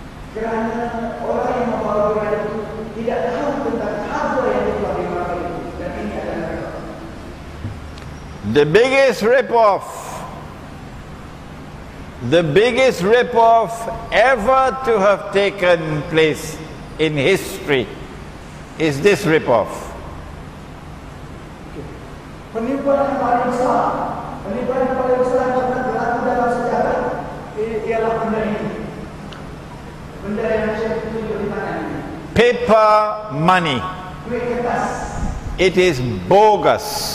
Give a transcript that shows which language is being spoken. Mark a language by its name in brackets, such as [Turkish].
[Malay] Kerana orang yang membawa durian itu tidak tahu tentang [English] The biggest rip-off, the biggest rip-off ever to have taken place in history is this rip-off. [Malay] Penipuan paling besar, penipuan paling besar yang pernah berlaku dalam sejarah ialah benda ini. Benda yang macam itu di tangan ini. [English] Paper money. [Malay] Duit kertas. [English] It is bogus.